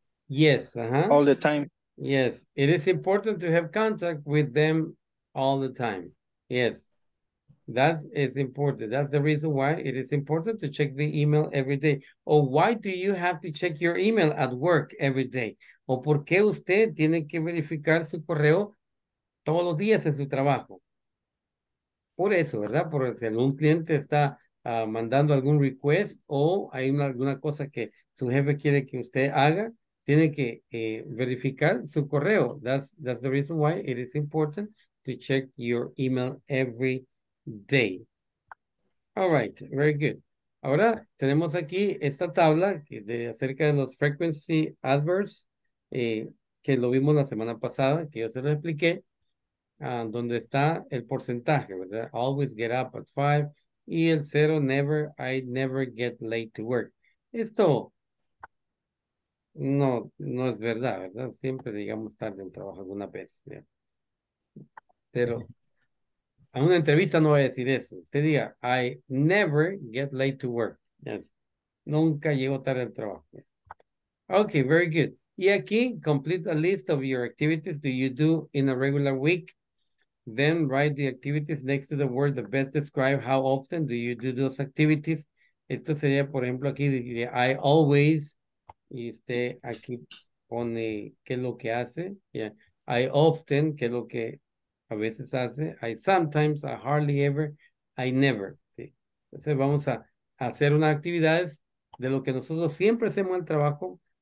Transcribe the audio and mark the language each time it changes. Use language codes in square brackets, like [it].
[en] Yes. Uh-huh. All the time. Yes. It is important to have contact with them all the time. Yes. That is important. That's the reason why it is important to check the email every day. Or why do you have to check your email at work every day? [es] ¿O por qué usted tiene que verificar su correo todos los días en su trabajo? Por eso, ¿verdad? Porque si algún cliente está mandando algún request o hay una, alguna cosa que su jefe quiere que usted haga, tiene que verificar su correo. [en] That's the reason why it is important to check your email every day. All right, very good. [es] Ahora tenemos aquí esta tabla de acerca de los frequency adverbs. Que lo vimos la semana pasada, que yo se lo expliqué, donde está el porcentaje, ¿verdad? [en] Always get up at 5, [es] y el 0, [en] never, I never get late to work. [es] Esto no, no es verdad, ¿verdad? Siempre llegamos tarde en trabajo alguna vez, ¿verdad? Pero a una entrevista no voy a decir eso. Usted diga, [en] I never get late to work. Yes. [es] Nunca llego tarde al trabajo. ¿Verdad? [en] Okay, very good. [es] Y aquí, [en] complete a list of your activities that you do in a regular week. Then write the activities next to the word that best describe how often do you do those activities. [es] Esto sería, por ejemplo, aquí, [en] I always, [es] y usted aquí pone qué es lo que hace. Yeah. [en] I often, [es] qué es lo que a veces hace. [en] I sometimes, I hardly ever, I never. Sí. [es] Entonces vamos a hacer unas actividades de lo que nosotros siempre hacemos el trabajo.